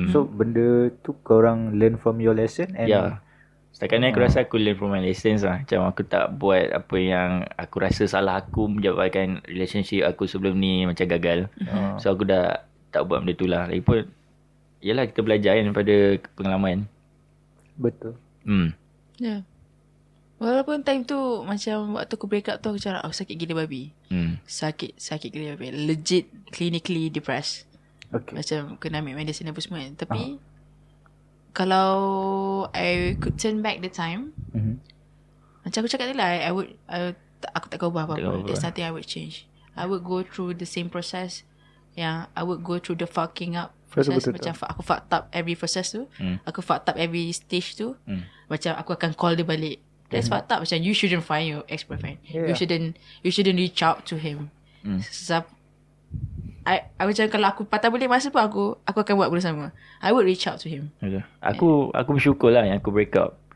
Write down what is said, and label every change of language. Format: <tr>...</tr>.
<en>So</en> <ms>benda tu korang</ms> <en>learn from your lesson and</en> <ms>setakat ni aku rasa aku</ms> <en>learn from my lessons</en> <ms>lah. Macam aku tak buat apa yang aku rasa salah aku menjawabkan relationship aku sebelum ni macam gagal. So aku dah tak buat benda tu lah. Lagipun yelah, kita belajar kan daripada pengalaman. Betul. Walaupun time tu macam waktu aku break up tu, aku cakap, oh sakit gila babi. Sakit gila babi.</ms> <en>Legit clinically depressed. Okay.</en> <ms>Macam kena ambil medicine apa semua kan. Tapi kalau</ms> <en>I could turn back the time,</en> <ms>macam aku cakap tu lah, aku tak ubah apa-apa.</ms> <en>There's nothing I would change. I would go through the same process. I would go through the fucking up process. Macam aku fucked up every process tu. Aku fucked up every stage tu.</en> <ms>Macam aku akan call dia balik.</ms> <en>That's fucked up. Macam you shouldn't find your ex-boyfriend. You shouldn't reach out to him.</en> <ms>So, I macam kalau aku patah balik masa pun, aku akan buat benda sama.</ms> <en>I would reach out to him.</en> <ms>Aku bersyukur lah yang aku break up.</ms>